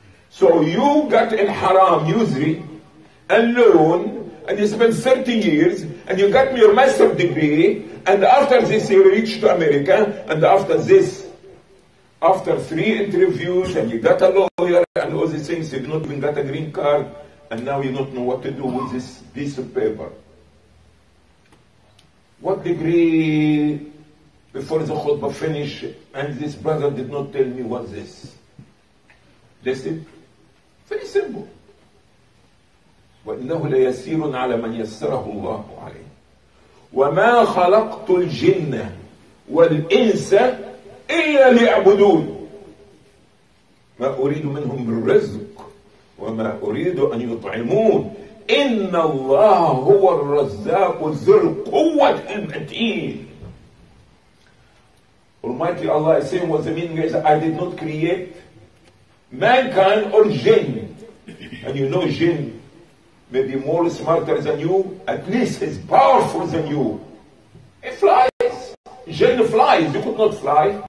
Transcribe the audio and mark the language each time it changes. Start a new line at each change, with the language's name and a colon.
English: So you got in haram usury alone, and you spent 30 years, and you got your master's degree, and after this you reached America, and after this, after three interviews, and you got a lawyer, and all these things, you've not even got a green card, and now you don't know what to do with this piece of paper. What degree Before the khutbah finished, and this brother did not tell me what this. Listen, very simple.
Arabic: وإنه ليسير على من يسره الله عليه. وما خلقت الجن والإنس إلا ليعبدون. ما أريد منهم الرزق وما أريد أن يطعمون. إن الله هو الرزاق ذو القوة المتين.
English: Almighty Allah is saying what the meaning is, I did not create mankind or jinn. And you know jinn may be more smarter than you, at least is powerful than you. It flies. Jinn flies. You could not fly.